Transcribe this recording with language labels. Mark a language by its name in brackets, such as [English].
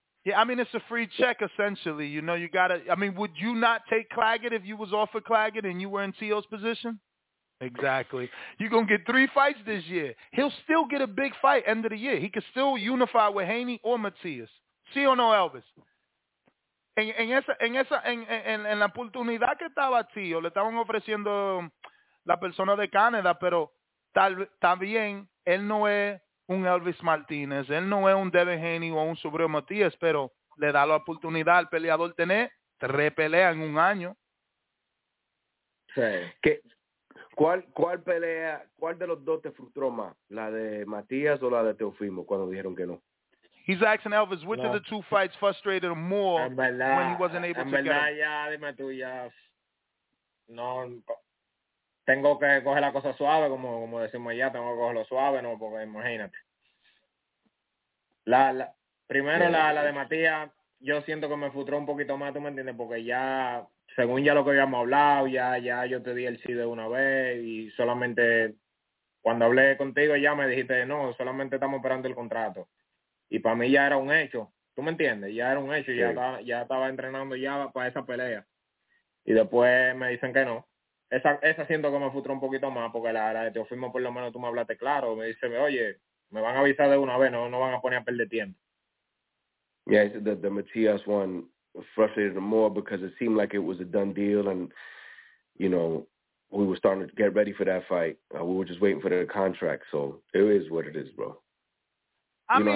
[English] Yeah, I mean, it's a free check, essentially. You know, you got to – I mean, would you not take Claggett if you was off of Claggett and you were in Tio's position? Exactly. You're going to get three fights this year. He'll still get a big fight end of the year. He could still unify with Haney or Matias. [Spanish] Tio no Elvis. En la oportunidad que estaba Tio, le estaban ofreciendo la persona de Canadá, pero también él no es un Elvis Martínez, él no es un Devin Haney o un Subrio Matías, pero le da la oportunidad al peleador tener tres peleas en un año. ¿Cuál de los dos te frustró más, la de Matías o la de Teofimo, cuando dijeron que no? [English] He's asking Elvis, which of the two fights frustrated him more when he wasn't able to get it? [Spanish] Dime tú, ya. No, tengo que coger la cosa suave, como decimos ya, tengo que cogerlo suave, no, porque imagínate. La de Matías, yo siento que me frustró un poquito más, tú me entiendes, porque ya, según ya lo que habíamos hablado, ya yo te di el sí de una vez y solamente cuando hablé contigo ya me dijiste, no, solamente estamos esperando el contrato. Y para mí ya era un hecho, tú me entiendes, ya era un hecho, sí. ya estaba entrenando ya para esa pelea. Y después me dicen que no. Esa siento que me frustró un poquito más, porque la de Teofimo por lo menos tú me hablaste claro. Me dice, oye, me van a avisar de una vez, no van a poner a perder tiempo. [English] Yeah, he said that the Matias one frustrated him more because it seemed like it was a done deal and, you know, we were starting to get ready for that fight. We were just waiting for the contract, so it is what it is, bro. I mean,